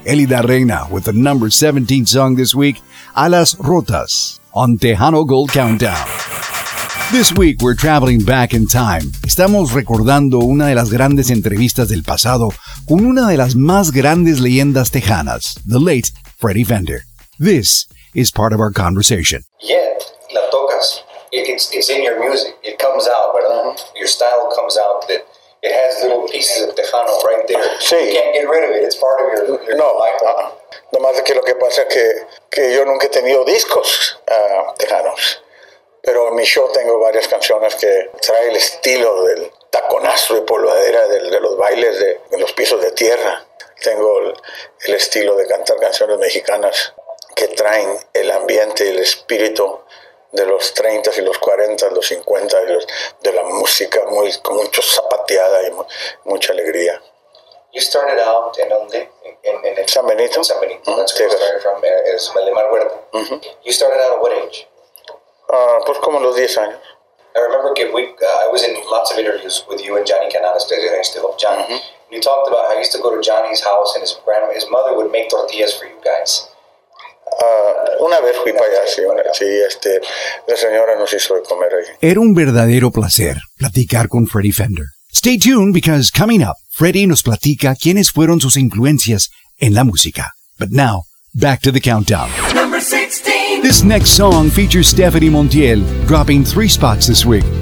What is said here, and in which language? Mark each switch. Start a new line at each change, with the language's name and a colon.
English: Elida Reina with the number 17 song this week, Alas Rotas, on Tejano Gold Countdown. This week we're traveling back in time.
Spanish: Estamos recordando una de las grandes entrevistas del pasado con una de las más grandes leyendas tejanas,
English: the late
Spanish: Freddie Fender.
English: This is part of our conversation. Yet,
Spanish: la tocas.
English: It's in your music. It comes out,
Spanish: ¿verdad?
English: Right? Your style comes out that... It has little pieces of Tejano right there.
Spanish: Sí.
English: You can't get rid of it. It's part of your
Spanish: no,
English: life.
Spanish: No más de que lo que pasa es que yo nunca he tenido discos tejanos. Pero en mi show tengo varias canciones que trae el estilo del taconazo y polvadera de los bailes de los pisos de tierra. Tengo el estilo de cantar canciones mexicanas que traen el ambiente y el espíritu de los 30 y los 40, los 50, de la música muy, con mucho zapateada y mucha alegría.
English: You started out in dónde?
Spanish: En San Benito. San Benito.
English: That's where you started from. Es Valdemar Huerta. You started out at what age?
Spanish: Pues como los 10 años.
English: I remember I was in lots of interviews with you and Johnny Canales, I used to love Johnny. You talked about how you used to go to Johnny's house and his mother would make tortillas for you guys.
Spanish: Una vez fui para allá, sí, la señora nos hizo de comer ahí. Era un verdadero placer platicar con Freddie Fender.
English: Stay tuned because coming up,
Spanish: Freddie nos platica quiénes fueron sus influencias en la música.
English: But now, back to the countdown. Number 16. This next song features Stephanie Montiel, dropping 3 spots this week.